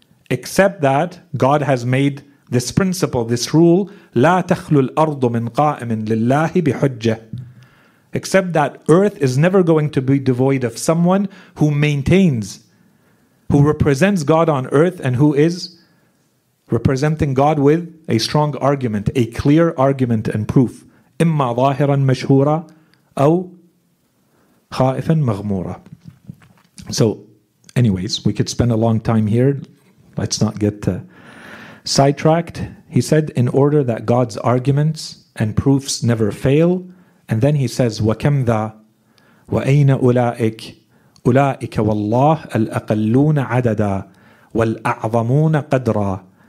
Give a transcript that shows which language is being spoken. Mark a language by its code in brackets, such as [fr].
[en] Except that God has made this principle, this rule, [ar] لا تخلو الأرض من قائم لله بحجة. [en] Except that earth is never going to be devoid of someone who maintains, who represents God on earth, and who is representing God with a strong argument, a clear argument and proof. [ar] إما ظاهرا مشهورا أو خائفا مغمورا. [en] So, anyways, we could spend a long time here. Let's not get sidetracked. He said, in order that God's arguments and proofs never fail. And then he says, [ar] وَكَمْ ذَا وَأَيْنَ أُولَٰئِكَ أُولَٰئِكَ وَاللَّهِ الْأَقَلُّونَ عَدَدًا وَالْأَعْظَمُونَ قَدْرًا.